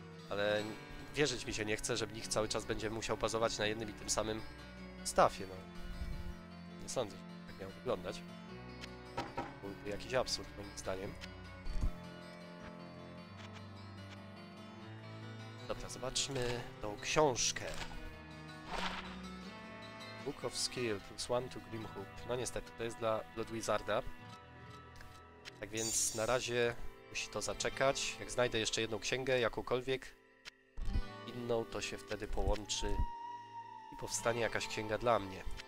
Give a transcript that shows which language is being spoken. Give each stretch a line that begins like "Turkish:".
Polish: Ale wierzyć mi się nie chce, że nich cały czas będzie musiał bazować na jednym i tym samym stafie, no. Nie sądzę, że tak miał wyglądać. Byłby jakiś absurd, moim zdaniem. Dobra, zobaczmy tą książkę.
English: Book of Skill plus 1 to Grimhoop.
Polish: No niestety, to jest dla Blood Wizarda. Tak więc na razie musi to zaczekać. Jak znajdę jeszcze jedną księgę, jakąkolwiek inną, to się wtedy połączy i powstanie jakaś księga dla mnie.